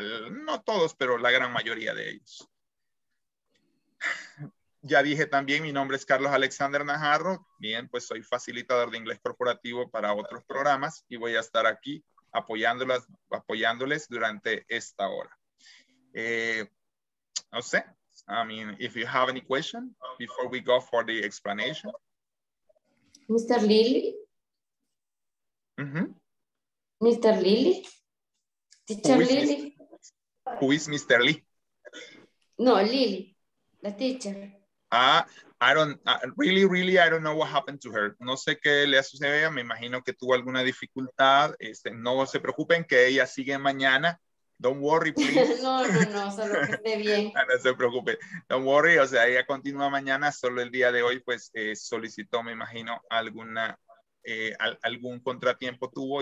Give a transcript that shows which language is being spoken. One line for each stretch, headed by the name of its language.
Spanish: no todos, pero la gran mayoría de ellos. Ya dije también, mi nombre es Carlos Alexander Najarro. Bien, pues soy facilitador de inglés corporativo para otros programas y voy a estar aquí apoyándoles durante esta hora. No sé,
English: I mean, if you have any question before we go for the explanation. Mr. Lily? Mm-hmm. Mr. Lily? Teacher Lily? Who is Mr. Lee? No, Lily, the teacher. I really, I don't know what happened to her.
Spanish: No sé qué le ha sucedido a ella. Me imagino que tuvo alguna dificultad. No se preocupen que ella sigue mañana.
English: Don't worry, please.
Spanish: No, solo que esté bien. No se preocupe.
English: Don't worry,
Spanish: o sea, ella continúa mañana. Solo el día de hoy, pues, solicitó, me imagino, algún contratiempo tuvo.